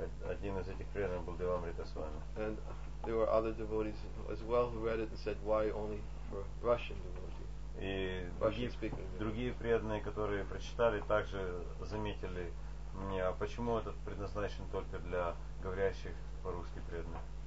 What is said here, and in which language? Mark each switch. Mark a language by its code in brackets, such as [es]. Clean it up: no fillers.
[ru] Один из этих преданных был Девамрита Свами. [en] And there were other devotees as well who read it and said, why only for Russian devotees? [ru] И другие преданные, которые прочитали, также заметили мне, а почему этот предназначен только для говорящих по-русски преданных?